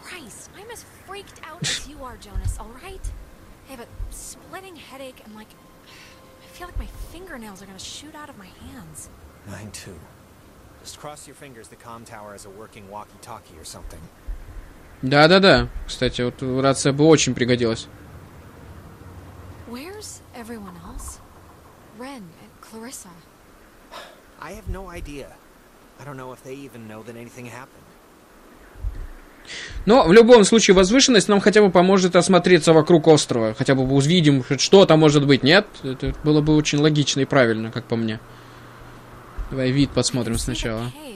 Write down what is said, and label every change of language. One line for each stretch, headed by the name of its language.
English: Christ, I'm as freaked out as you are, Jonas, all right? I have a splitting headache and like, I feel like my fingernails are gonna shoot out of my hands. Mine too. Just cross your fingers the comm tower has a working walkie-talkie or something.
Russian: Да-да-да. Кстати, вот рация бы очень пригодилась.
English: Where's everyone else? Ren, Clarissa. I have no idea. I don't know if they even know that anything happened.
Russian: Но в любом случае возвышенность нам хотя бы поможет осмотреться вокруг острова. Хотя бы увидим, что там может быть, нет? Это было бы очень логично и правильно, как по мне. Давай вид посмотрим сначала.